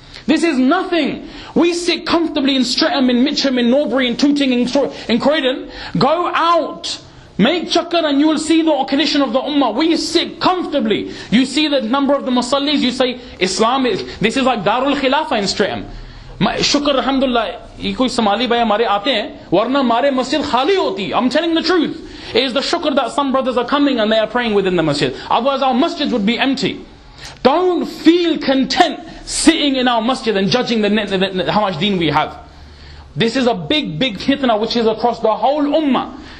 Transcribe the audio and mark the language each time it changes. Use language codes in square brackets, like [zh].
[en] This is nothing. We sit comfortably in Streatham, in Mitcham, in Norbury, in Tooting, in Croydon. Go out, make chakkar and you will see the condition of the ummah. We sit comfortably. You see the number of the musallis, you say, Islam is, this is like Darul Khilafa in Streatham. [ur] شکر الحمدللہ، یہ کوئی صومالی بھائی ہمارے آتے ہیں، ورنہ ہمارے مسجد خالی ہوتی. [en] I'm telling the truth. It is the shukr that some brothers are coming and they are praying within the masjid. Otherwise our masjids would be empty. Don't feel content sitting in our masjid and judging how much deen we have. This is a big, big fitna which is across the whole ummah.